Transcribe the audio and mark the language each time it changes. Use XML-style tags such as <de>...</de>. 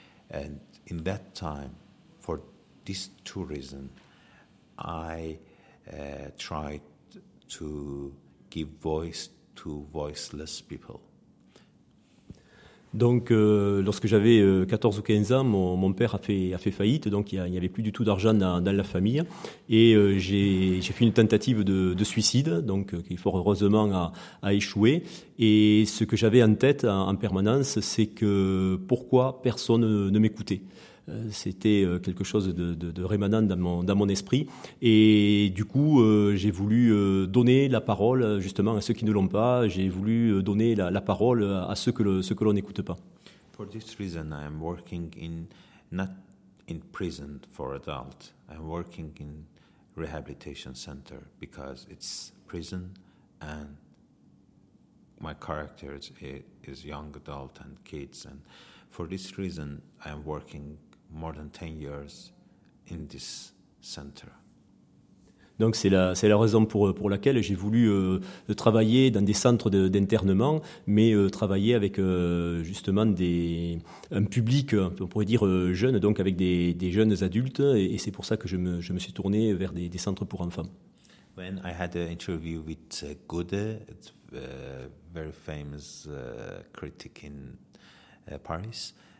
<en>And in that time, for this two reasons, I tried to give voice to voiceless people.</en> <fr>Donc, lorsque j'avais 14 ou 15 ans, mon père a fait faillite, donc il n'y avait plus du tout d'argent dans la famille. Et j'ai fait une tentative de suicide, donc qui fort heureusement a échoué. Et ce que j'avais en tête en permanence, c'est que pourquoi personne ne m'écoutait ? C'était quelque chose de rémanent dans mon esprit. Et du coup, j'ai voulu donner la parole justement à ceux qui ne l'ont pas. J'ai voulu donner la parole à ceux que l'on n'écoute pas.</fr> <en>For this reason, I am working in not in prison for adults. I'm working in rehabilitation center because it's prison and my character is young adult and kids. And for this reason, I am working more than 10 years in this center.</en> <fr>Donc c'est la raison pour laquelle j'ai voulu travailler dans des centres d'internement, mais travailler avec justement un public, on pourrait dire jeune, donc avec des jeunes adultes, et c'est pour ça que je me suis tourné vers des centres pour enfants.</fr> <en>When I had an interview with Gaudet, it's a very famous critic in Paris.</en>